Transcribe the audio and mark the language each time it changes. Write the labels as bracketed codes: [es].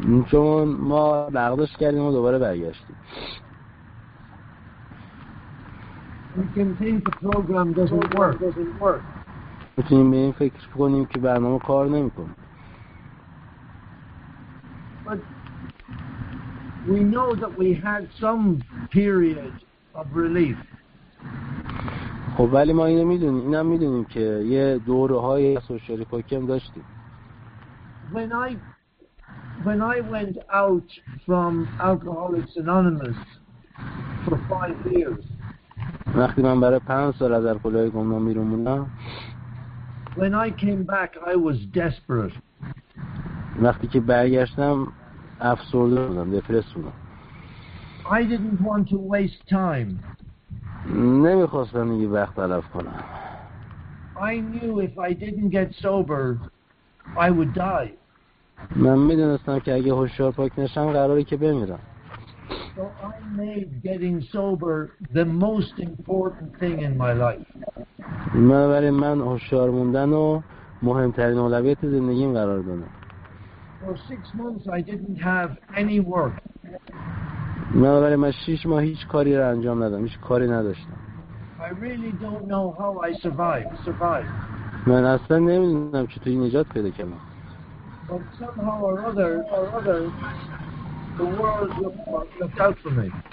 [fa] چون ما لغزش کردیم و دوباره برگشتیم. [en] We can think the program doesn't work. [fa] میتونیم به این فکر کنیم که برنامه کار نمی‌کنه. [en] But we know that we had some period of relief. [fa] خب ولی ما اینو میدونیم، اینم میدونیم که یه دوره‌های سوشال پاکم داشتیم. [en] When I went out from Alcoholics Anonymous for 5 years. [fa] وقتی من برای 5 سال از الکلی‌های گمنام بیرون موندم. [en] When I came back I was desperate. [fa] وقتی که برگشتم افسرده بودم، دپرس بودم. [en] I didn't want to waste time. [fa] نمیخواستم دیگه وقت تلف کنم. [en] I knew if I didn't get sober, I would die. [fa] من میدونستم که اگه هوشیار پاک نشم قراره که بمیرم. [en] So I made getting sober the most important thing in my life. [fa] من برای من هوشیار موندن و مهمترین اولویت زندگیم قرار دادم. [en] For 6 months I didn't have any work. [fa] من برای من 6 ماه هیچ کاری را انجام ندادم، هیچ کاری نداشتم. [en] I really don't know how I survived. [fa] من اصلا نمیدونم چطوری نجات پیدا کردم. [en] But somehow or other, the world looked out for me.